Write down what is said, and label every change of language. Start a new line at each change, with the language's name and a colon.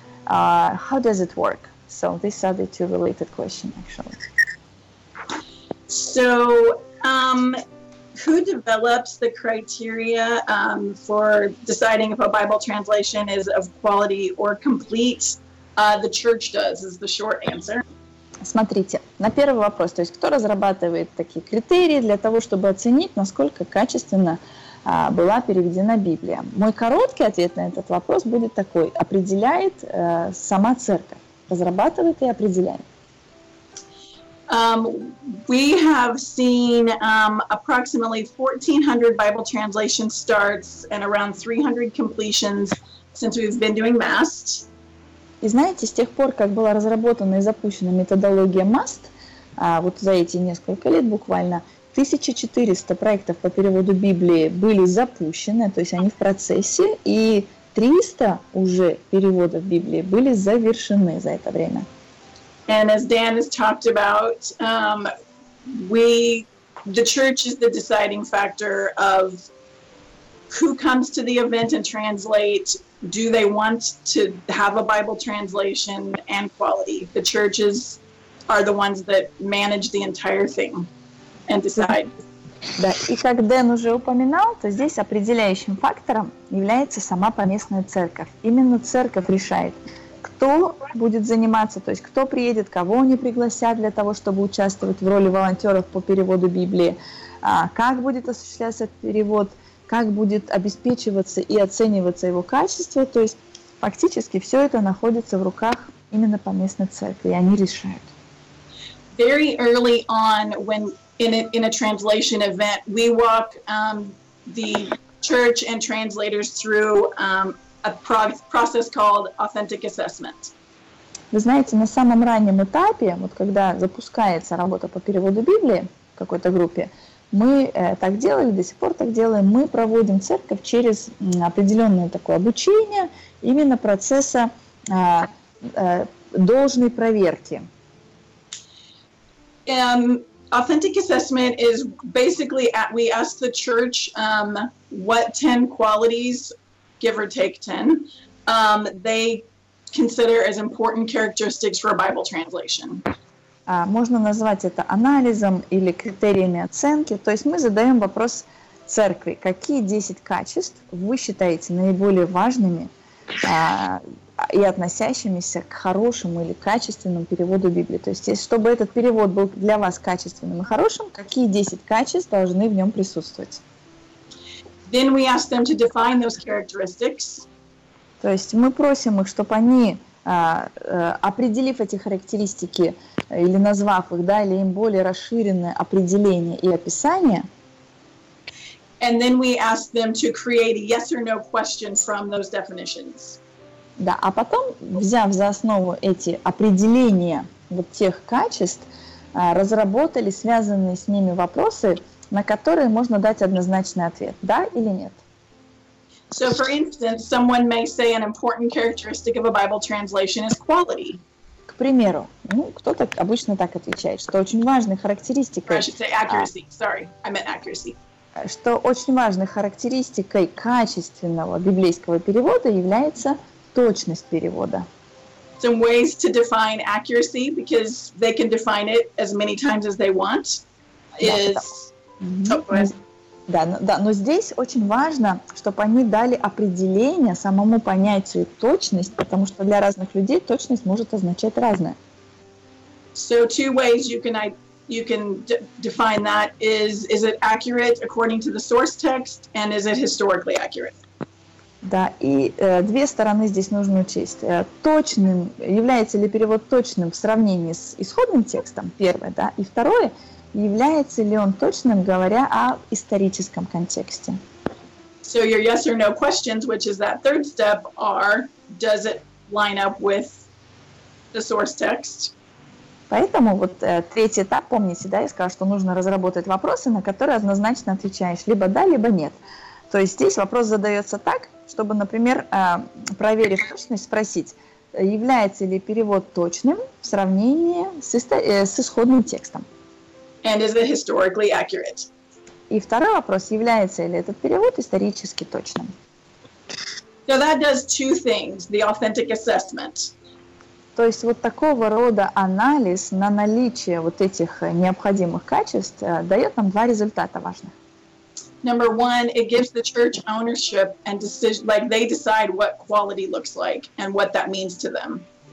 English: How does it work? So these are the two related questions, actually. So who develops the criteria for deciding if a Bible translation is of quality or complete? The church does, is the short answer.
Russian: Смотрите, на первый вопрос, то есть кто разрабатывает такие критерии для того, чтобы оценить, насколько качественно была переведена Библия. Мой короткий ответ на этот вопрос будет такой. Определяет сама церковь. Разрабатывает и определяет.
English: We have seen approximately 1,400 Bible translation starts and around 300 completions since we've been doing MAST.
Russian: И знаете, с тех пор, как была разработана и запущена методология MAST, вот за эти несколько лет буквально 1400 проектов по переводу Библии были запущены, то есть они в процессе, и 300 уже переводов Библии были завершены за это время.
English: And as Dan has talked about, the church is the deciding factor of who comes to the event and translate. Do they want to have a Bible translation and quality? The churches are the ones that manage the entire thing and decide.
Russian: Да, и как Дэн уже упоминал, то здесь определяющим фактором является сама поместная церковь. Именно церковь решает, кто будет заниматься, то есть кто приедет, кого они пригласят для того, чтобы участвовать в роли волонтеров по переводу Библии, как будет осуществляться перевод, как будет обеспечиваться и оцениваться его качество. То есть фактически все это находится в руках именно поместной церкви, и они решают.
English: Very early on, when in a translation event, we walk the church and translators through a process called authentic assessment.
Russian: Вы знаете, на самом раннем этапе, вот когда запускается работа по переводу Библии в какой-то группе, мы так делали, до сих пор так делаем, мы проводим церковь через определенное такое обучение именно процесса должной проверки.
English: Authentic assessment is basically we ask the church what 10 qualities, give or take 10, they consider as important characteristics for a Bible translation.
Russian: Можно назвать это анализом или критериями оценки. То есть мы задаем вопрос церкви. Какие 10 качеств вы считаете наиболее важными и относящимися к хорошему или качественному переводу Библии? То есть чтобы этот перевод был для вас качественным и хорошим, какие 10 качеств должны в нем присутствовать?
English: Then we ask them to define those characteristics.
Russian: То есть мы просим их, чтобы они... определив эти характеристики или назвав их, дали им более расширенное определение и описание.
English: And then we ask them to create a yes or no question from those definitions.
Russian: Да, а потом, взяв за основу эти определения вот тех качеств, разработали связанные с ними вопросы, на которые можно дать однозначный ответ, да или нет.
English: So, for instance, someone may say an important characteristic of a Bible translation is quality.
Russian: К примеру, ну, кто-то обычно так отвечает, что очень важной характеристикой...
English: I should say accuracy. Sorry, I meant accuracy.
Russian: Что очень важной характеристикой качественного библейского перевода является точность перевода.
English: Some ways to define accuracy, because they can define it as many times as they want, is...
Russian: Да, да, но здесь очень важно, чтобы они дали определение самому понятию точность, потому что для разных людей точность может означать разное.
English: So two ways you can define that is it accurate according to the source text and is it historically accurate?
Russian: Да, и две стороны здесь нужно учесть. Точным является ли перевод точным в сравнении с исходным текстом? Первое, да, и второе. Является ли он точным, говоря о историческом контексте?
English: So your yes or no questions, which is that third step, are does it line up with the source text?
Russian: Поэтому вот третий этап, помните, да, я сказала, что нужно разработать вопросы, на которые однозначно отвечаешь либо да, либо нет. То есть здесь вопрос задается так, чтобы, например, проверив точность, спросить, является ли перевод точным в сравнении с исходным текстом?
English: And is it historically accurate?
Russian: И второй вопрос, является ли этот перевод исторически точным?
English: So that does two things, the authentic assessment.
Russian: То есть вот такого рода анализ на наличие вот этих необходимых качеств дает нам два результата важных.
English: Number one, it gives the church ownership and decision, like they decide what quality looks like and what that means to them.